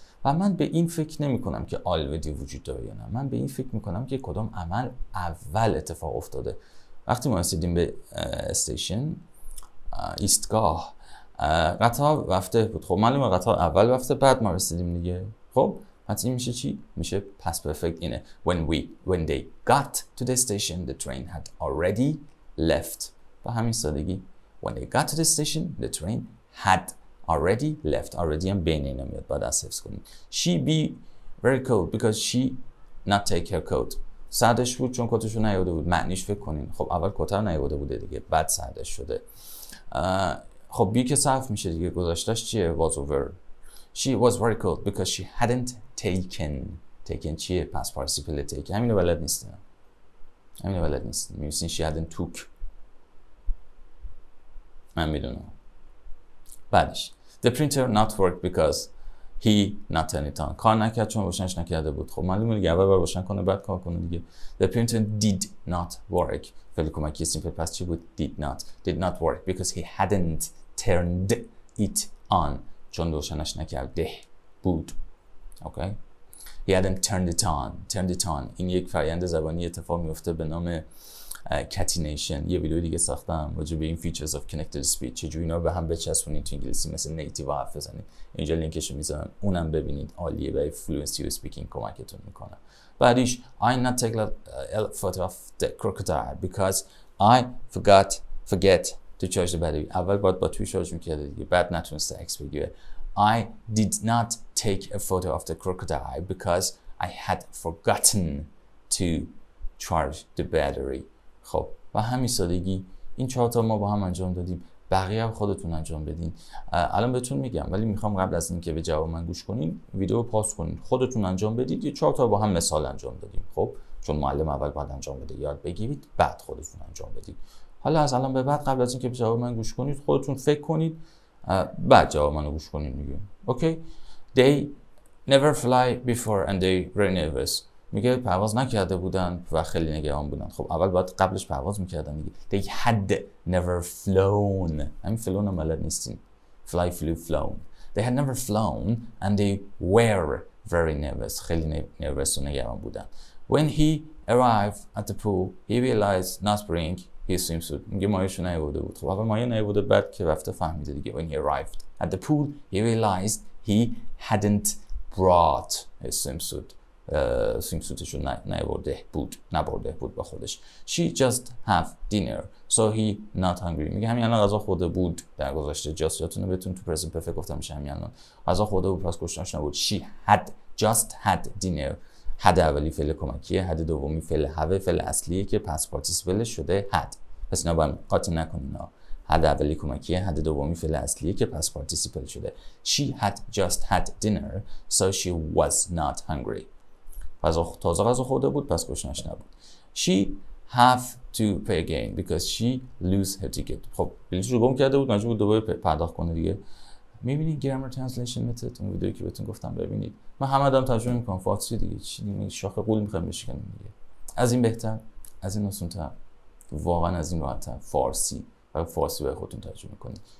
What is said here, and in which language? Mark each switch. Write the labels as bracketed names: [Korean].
[Persian] و من به این فکر نمی کنم که already وجود داره یا نه، من به این فکر میکنم که کدوم عمل اول اتفاق افتاده. وقتی ما رسیدیم به استیشن، ایستگاه، قطار رفته بود. خب معلومه قطار اول رفته بعد ما رسیدیم دیگه. خب پس این میشه چی؟ میشه پس پرفکت اینه. [English] When they got to the station, the train had already left. [Persian] با همین سادگی. [English] When they got to the station, the train had already left. [Persian] Already هم بین اینا میاد. باید از حفظ کنیم. [English] She be very cold because she not take her coat. [Persian] سردش بود چون کتشو نیاورده بود. معنیش فکر کنین. خب اول کتر نیاورده بوده دیگه، بعد سردش شده. خب بی که صرف میشه دیگه، گذاشتش چیه؟ was over. [English] She was very cold because she hadn't taken. [Persian] Taken چیه؟ پس پارسیپل تیک. همینو بلد نیستین. همینو بلد نیستین. میبینین [English] she hadn't took. [Persian] من میدونم. بعدش. [English] The printer not worked because he not turned it on. [Persian] کار نکرد چون روشنش نکرده بود. خب معلومه دیگه، اول باید روشن کنه بعد کار کنه دیگه. [English] The printer did not work. [Persian] فعل کمکی سیمپل پس چی بود؟ [English] did not. Did not work because he hadn't turned it on. [Persian] چون روشنش نکرده بود. اوکی. [English] Okay. He hadn't turned it on. [Persian] Turned it on. این یک فرآیند زبانی اتفاق میفته به نام کاتینیشن. یه ویدیو دیگه ساختم راجع به این فیچرز اف کانکتد اسپیچ، چجوری اینا رو به هم بچسبونید تو انگلیسی مثل نیتیو حرف بزنید. اینجا لینکش رو میذارم، اونم ببینید، عالیه، برای فلوئنسی و اسپیکینگ کمکتون میکنه. بعدش [English] I'm not taking a photo of the crocodile because I forget to charge the battery. [Persian] اول باید باتری شارژ میکرد دیگه، بعد نتونست عکس بگیره. [English] I did not take a photo of the crocodile because I had forgotten to charge the battery. [Persian] خب و همین سادگی این چهار تا ما با هم انجام دادیم، بقیه هم خودتون انجام بدین. الان بهتون میگم، ولی میخوام قبل از اینکه به جواب من گوش کنین ویدیو پاس کنین، خودتون انجام بدید. یه چهار تا با هم مثال انجام دادیم، خب چون معلم اول باید انجام بده، یاد بگیرید بعد خودتون انجام بدید. حالا از الان به بعد قبل از اینکه به جواب من گوش کنید خودتون فکر کنید، بعد جواب منو گوش کنین دیگه. اوکی. [English] They never fly before and they were nervous. [Persian] میگه پرواز نکرده بودن و خیلی نگران بودن. خب اول باید قبلش پرواز میکردن دیگه. [English] They had never flown. [Persian] همین فلون هم بلد نیستین. [English] Fly, flew, flown. They had never flown and they were very nervous. [Persian] خیلی nervous و نگران بودن. [English] When he arrived at the pool, he realized not bring his swimsuit. [Persian] میگه مایهشو نیاورده بود. خب اول مایه نیاورده، بعد که رفته فهمیده دیگه. [English] When he arrived at the pool, he realized he hadn't brought his swimsuit. [Persian] سیمسوتشو نبرده بود با خودش. [English] She just have dinner so he not hungry. [Persian] میگه همین الان غذا خورده بود در گذشته. just یادتونه بهتون تو present perfect گفتم میشه همین الان غذا خورده بود پس گشنش نبود. [English] She had just had dinner. had [Persian] اولی فعل کمکیه، [English] had [Persian] دومی فعل [English] have، [Persian] فعل اصلیه که پس [English] participle [Persian] شده [English] had. [Persian] پس اینا باید قاطع نکنین. had اولی کمکیه، had دومی فعل اصلیه که پس participle شده. [English] She had just had dinner so she was not hungry. [Persian] تازه غذا خورده بود پس گشنش نبود. [English] She have to pay again because she lose her ticket. [Persian] خب بلیط رو گم کرده بود، مجبور بود دوباره پرداخت کنه دیگه. میبینید grammar translation method، اون ویدیویی که بهتون گفتم ببینید. من همه دارم ترجمه میکنم فارسی دیگه، چی دیگه، شاخه قول میخوایم بشکنیم دیگه. از این بهتر، از این آسان‌تر، واقعا از این راحت‌تر فارسی، فقط فارسی برای خودتون ترجمه کنید.